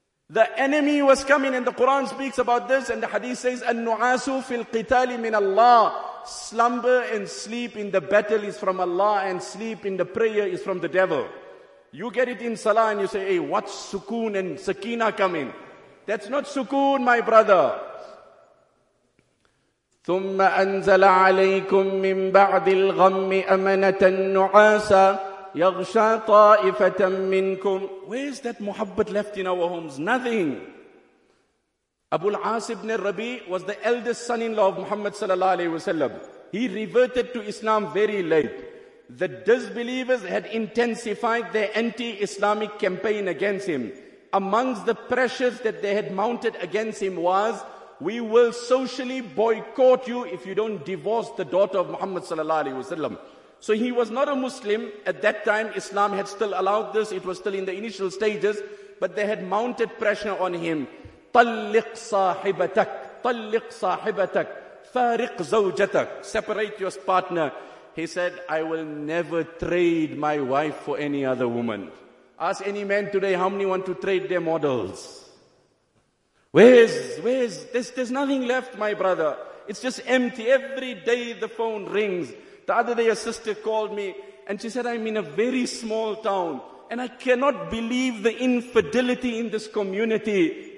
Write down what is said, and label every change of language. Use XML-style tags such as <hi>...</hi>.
<en>The enemy was coming, and the Quran speaks about this, and the hadith says,</en> <ar>"An-nu'asu fil qitali min Allah."</ar> <en>Slumber and sleep in the battle is from Allah, and sleep in the prayer is from the devil. You get it in salah, and you say, hey, what's sukoon and sakina coming? That's not sukoon, my brother.</en> <ar>ثم أنزل عليكم من بعد الغم أمنة نعاسا يغشى طائفة منكم.</ar> <en>Where is that muhabbat left in our homes? Nothing. Abu al-As ibn al-Rabi was the eldest son-in-law of Muhammad sallallahu alayhi wasallam. He reverted to Islam very late. The disbelievers had intensified their anti-Islamic campaign against him. Amongst the pressures that they had mounted against him was, we will socially boycott you if you don't divorce the daughter of Muhammad sallallahu alayhi wasallam. So he was not a Muslim. At that time, Islam had still allowed this. It was still in the initial stages. But they had mounted pressure on him.</en> <ar>طلق صاحبتك طلق صاحبتك فارق زوجتك.</ar> <en>Separate your partner. He said, I will never trade my wife for any other woman. Ask any man today, how many want to trade their models? Where's there's nothing left, my brother. It's just empty. Every day the phone rings. The other day a sister called me and she said, I'm in a very small town and I cannot believe the infidelity in this community.</en>